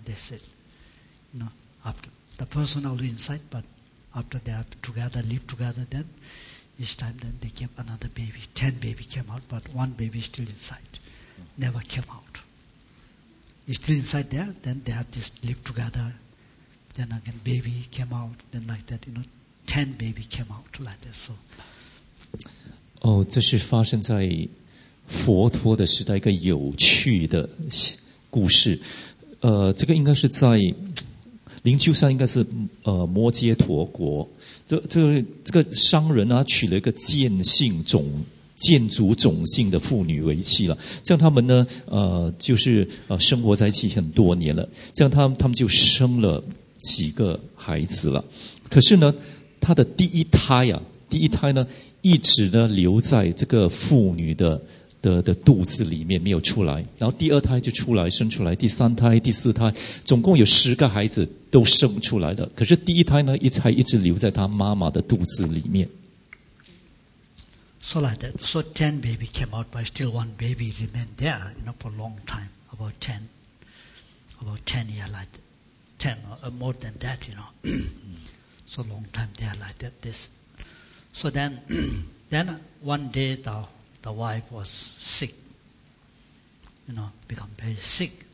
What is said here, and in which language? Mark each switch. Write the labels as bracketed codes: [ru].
[en] They said, you know, after the first one always inside, but after they are together, live together, then each time then they came another baby, 10 baby came out, but one baby still inside, never came out. He's still inside there, then they have this live together. Then again, baby came out, then like that, you know, 10 baby came out like that, so. [zh] Oh, 这是发生在佛陀的时代一个有趣的故事。这个应该是在灵鹫山，应该是摩揭陀国。这个商人啊，娶了一个建族种姓的妇女为妻了，这样他们呢，就是生活在一起很多年了，这样他们就生了几个孩子了。可是呢，他的第一胎呢，一直呢留在这个妇女的肚子里面没有出来，然后第二胎就出来生出来，第三胎、第四胎，总共有10个孩子都生出来了。可是第一胎呢，一直留在他妈妈的肚子里面。 [en] So like that. So 10 baby came out, but still one baby remained there, you know, for a long time, about 10 years, like that. 10 or more than that, you know. So long time there, like that. This. So then, then one day the wife was sick, you know, become very sick.